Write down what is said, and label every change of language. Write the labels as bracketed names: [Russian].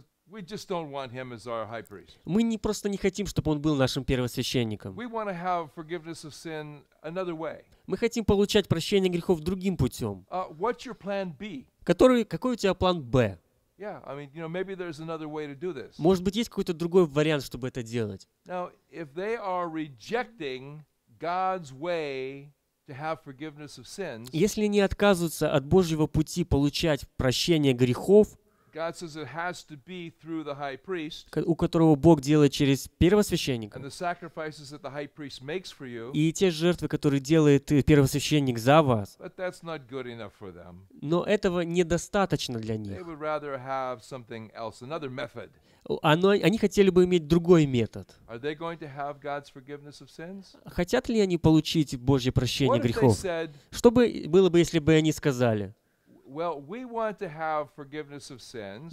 [English] We just don't want him as our high priest. [Russian] Мы не просто не хотим, чтобы он был нашим первосвященником. [English] We want to have forgiveness of sin another way. [Russian] Мы хотим получать прощение грехов другим путем. [English] What's your plan B? [Russian] Какой у тебя план Б? [English] Yeah, I mean, you know, maybe there's another way to do this. [Russian] Может быть, есть какой-то другой вариант, чтобы это делать? [English] Now, if they are rejecting God's way to have forgiveness of sins, [Russian] если они отказываются от Божьего пути получать прощение грехов, [English] God says it has to be through the high priest. [Russian] У которого Бог делает через первосвященника. [English] And the sacrifices that the high priest makes for you. [Russian] И те жертвы, которые делает первосвященник за вас. [English] But that's not good enough for them. [Russian] Но этого недостаточно для них. [English] They would rather have something else, another method. [Russian] Они хотели бы иметь другой метод. [English] Are they going to have God's forgiveness of sins? [Russian] Хотят ли они получить Божье прощение грехов? [English] What if they said? [Russian] Что бы было бы, если бы они сказали? [English] Well, we want to have forgiveness of sins.